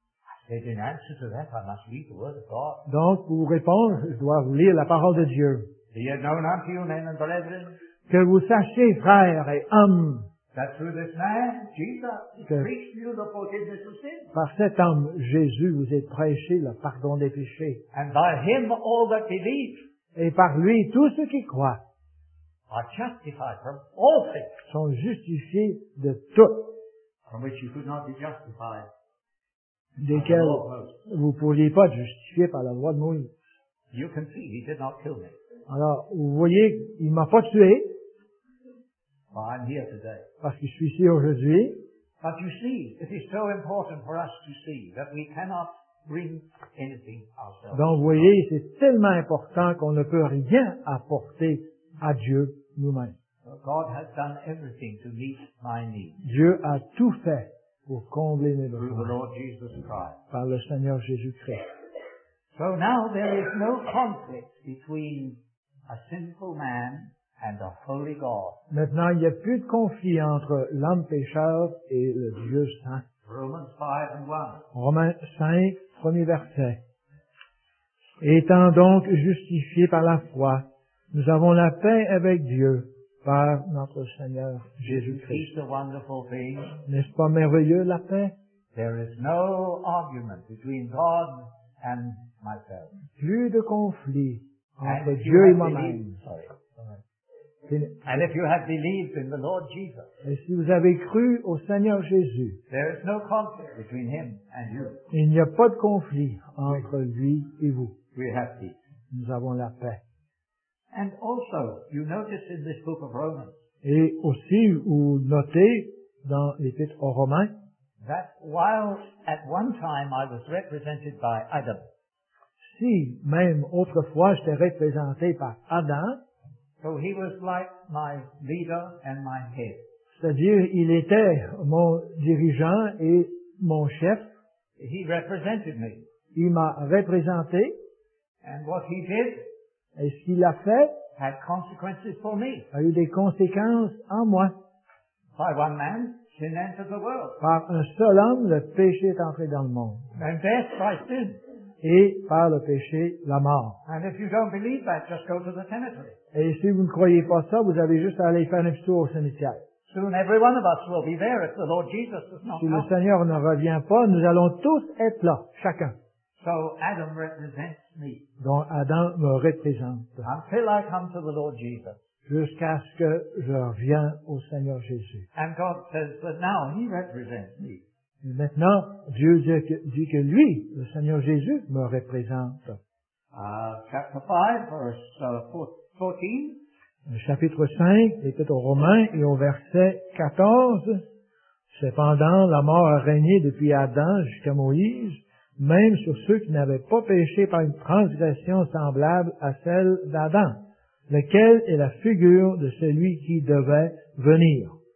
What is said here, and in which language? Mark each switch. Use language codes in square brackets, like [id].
[en] I said, in answer to that, I must read the word of God. [fr] Donc, pour répondre, je dois vous lire la parole de Dieu. [en] Be it known unto you, men and brethren, [fr] que vous sachiez, frères et hommes, [en] that through this man, Jesus, he preached to you the forgiveness of sins. [fr] Par cet homme, Jésus, vous est prêché le pardon des péchés. [en] And by him, all that believe. [fr] Et par lui, tous ceux qui croient. [en] Are justified from all things. [fr] Sont justifiés de tout. [en] From which you could not be justified. [fr] Desquels vous ne pourriez pas être justifié par la loi de Moïse. [en] You can see he did not kill me. [fr] Alors, vous voyez, il ne m'a pas tué. [en] Well, I'm here today. [fr] Parce que je suis ici aujourd'hui. [en] But you see, it is so important for us to see that we cannot bring anything ourselves. [fr] Donc, vous voyez, c'est tellement important qu'on ne peut rien apporter à Dieu nous-mêmes. [en] God has done everything to meet my needs. [fr] Dieu a tout fait pour combler mes besoins. [en] Through the Lord Jesus Christ. [fr] Par le Seigneur Jésus-Christ. [en] So now there is no conflict between a sinful man and a holy God. [fr] Maintenant, il n'y a plus de conflit entre l'homme pécheur et le Dieu saint. [en] Romans 5 and 1. [fr] Romains 5, premier verset. Étant donc justifiés par la foi, nous avons la paix avec Dieu par notre Seigneur Jésus-Christ. [en] Isn't it a wonderful thing? [fr] N'est-ce pas merveilleux, la paix? [en] There is no argument between God and myself. [fr] Plus de conflit entre Dieu et moi-même. [en] Sorry. And if you have believed in the Lord Jesus, [fr] et si vous avez cru au Seigneur Jésus, [en] there is no conflict between him and you. [fr] Il n'y a pas de conflit entre lui et vous. [en] We have peace. [fr] Nous avons la paix. [en] And also, you notice in this book of Romans, [fr] et aussi, vous notez dans l'Épître aux Romains, [en] that while at one time I was represented by Adam, [fr] si même autrefois j'étais représenté par Adam, [en] so he was like my leader and my head. [fr] C'est-à-dire, il était mon dirigeant et mon chef. [en] He represented me. [fr] Il m'a représenté. [en] And what he did, [fr] et ce qu'il a fait, [en] had consequences for me. [fr] A eu des conséquences en moi. [en] By one man, sin entered the world. [fr] Par un seul homme, le péché est entré dans le monde. [en] And death by sin. [fr] Et par le péché, la mort. [en] And if you don't believe that, just go to the cemetery. [fr] Et si vous ne croyez pas ça, vous avez juste à aller faire un petit tour au cimetière. [en] Soon every one of us will be there if the Lord Jesus does not come. [fr] Si le Seigneur ne revient pas, nous allons tous être là, chacun. [en] So Adam represents me. [fr] Donc Adam me représente. [en] Until I come to the Lord Jesus. [fr] Jusqu'à ce que je revienne au Seigneur Jésus. [en] And God says that now he represents me. [fr] Maintenant, Dieu dit que lui, le Seigneur Jésus, me représente. [en] Chapter 5, verse 14. [fr] Chapitre 5, l'Épître aux Romains, et au verset 14. Cependant, la mort a régné depuis Adam jusqu'à Moïse, même sur ceux qui n'avaient pas péché par une transgression semblable à celle d'Adam, lequel est la figure de celui qui devait venir.